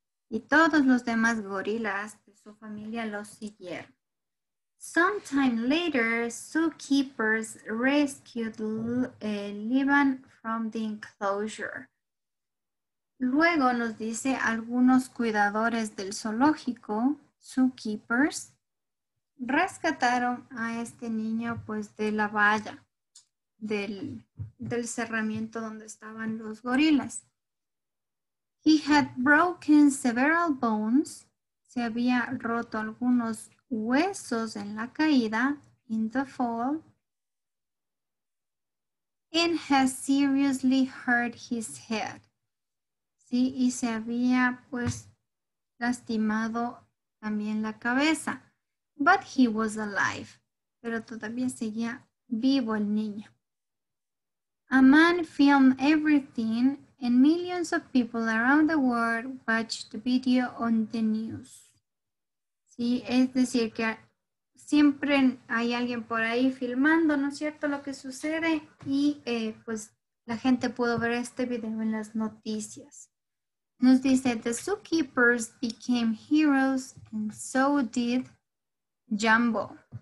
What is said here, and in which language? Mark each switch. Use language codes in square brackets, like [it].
[es] Y todos los demás gorilas de su familia lo siguieron. [en] Sometime later, zookeepers rescued Levan from the enclosure. [es] Luego nos dice algunos cuidadores del zoológico, zookeepers, rescataron a este niño pues de la valla, del cerramiento donde estaban los gorilas. [en] He had broken several bones, [es] se había roto algunos huesos en la caída, [en] in the fall, and has seriously hurt his head. [es] Sí, y se había pues lastimado también la cabeza. [en] But he was alive. [es] Pero todavía seguía vivo el niño. [en] A man filmed everything and millions of people around the world watched the video on the news. [es] Sí, es decir que siempre hay alguien por ahí filmando, ¿no es cierto? Lo que sucede y pues la gente pudo ver este video en las noticias. Nos dice, [en] the zookeepers became heroes and so did Jumbo.